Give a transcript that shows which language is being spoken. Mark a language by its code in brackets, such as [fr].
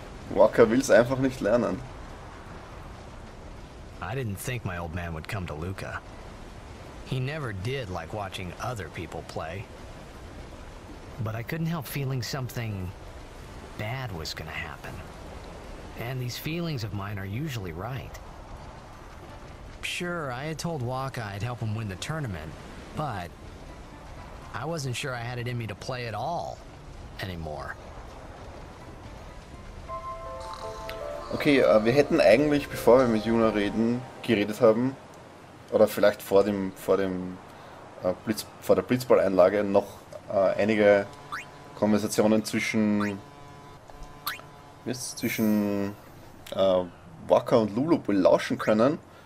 [de] Walker will's einfach nicht lernen. [en] I didn't think my old man would come to Luca. He never did like watching other people play. But I couldn't help feeling something bad was gonna happen. And these feelings of mine are usually right. Sure, I had told Waka I'd help him win the tournament, but I wasn't sure I had it in me to play at all anymore. [de] Okay, wir hätten eigentlich, bevor wir mit Yuna geredet haben, oder vielleicht vor der Blitzball-Einlage noch einige Konversationen zwischen Waka und Lulu belauschen können.